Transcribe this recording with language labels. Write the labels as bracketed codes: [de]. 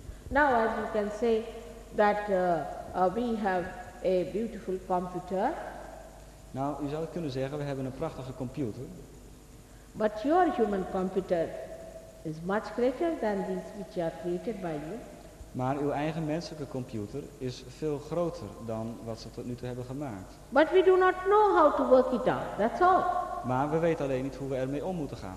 [en] Now, as you can say that we have a beautiful computer. [nl] Nou, u zou kunnen zeggen we hebben een prachtige computer. [en] But your human computer is much greater than these which are created by you. [nl] Maar uw eigen menselijke computer is veel groter dan wat ze tot nu toe hebben gemaakt. [en] But we do not know how to work it out. That's all. [nl] Maar we weten alleen niet hoe we ermee om moeten gaan.